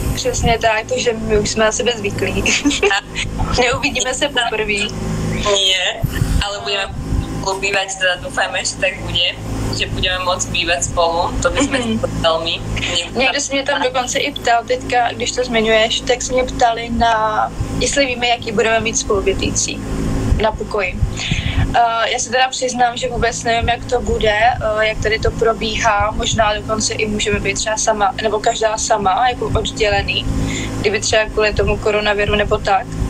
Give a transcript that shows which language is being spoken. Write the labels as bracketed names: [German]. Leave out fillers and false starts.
[Czech] Přesně tak, takže my už jsme na sebe zvyklí. Neuvidíme se poprvý. [Slovak] Nie, ale budeme bývať, teda dúfajme, že tak bude, že budeme môcť bývať spolu, to by sme to veľmi. Niekto sa mňa [Czech] tam dokonce i ptal teďka, když to zmiňuješ, tak sa mňa ptali na, jestli víme, jaký budeme mít spolubytící na pokoji. Já se teda přiznám, že vůbec nevím, jak to bude, jak tady to probíhá, možná dokonce i můžeme být třeba sama, nebo každá sama, jako oddělený, kdyby třeba kvůli tomu koronaviru nebo tak.